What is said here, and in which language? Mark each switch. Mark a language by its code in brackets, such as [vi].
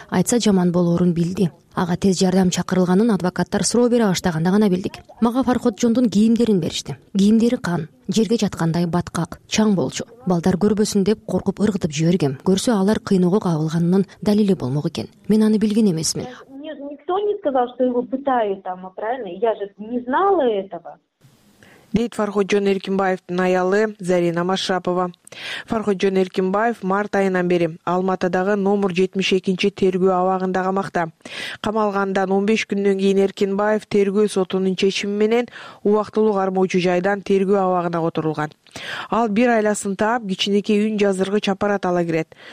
[ky] Айтса жаман болоорун билди. Ага тез жардам чакырылганын адвокаттар суроо бере баштаганда гана билдик. Мага фархотчондун кийимдерин беришти. Кийимдери кан, жерге жаткандай баткак, чаң болчу. Балдар көрбөсүн деп коркуп ыргытып жибергем. Көрсө алар кыйноого кабылганынын далили болмок экен. Мен аны билген эмесмин. [ru] Никто не сказал, что его пытают там, правильно? Я же не знала этого. [ky] Дейт Фархотжон Эркинбаевдин аялы Зарина Машрапова. Фархотжон Эркинбаев март айынан бери Алматыдагы номер 72 тергөө абагында камакта. Камалгандан 15 күндөн кийин Эркинбаев тергөө сотунун чечими менен убактылуу кармоочу жайдан тергөө абагына которулган. Ал бир айласын таап, кичинекей үн жаздыргыч аппарат ала кирет.